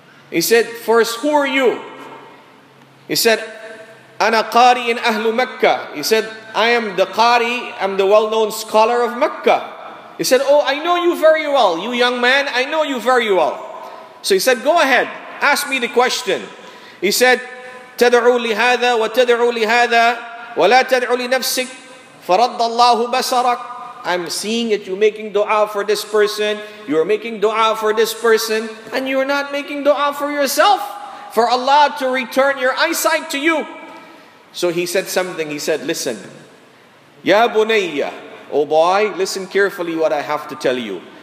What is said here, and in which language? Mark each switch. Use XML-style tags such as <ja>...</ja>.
<en>He said, first, who are you? He said,</en> <ar>Ana qari in ahlu Mecca.</ar> <en>He said, I am the qari, I'm the well-known scholar of Mecca. He said, oh, I know you very well, you young man, I know you very well. So he said, go ahead, ask me the question. He said,</en> <ar>تَدْعُوا لِهَذَا وَتَدْعُوا لِهَذَا وَلَا تَدْعُوا لِنَفْسِكْ فَرَضَّ اللَّهُ بَسَرَكْ.</ar> <en>I'm seeing that you're making dua for this person, you're making dua for this person, and you're not making dua for yourself, for Allah to return your eyesight to you. So he said something, he said, listen, Ya Bunayya, oh boy, listen carefully what I have to tell you.</en>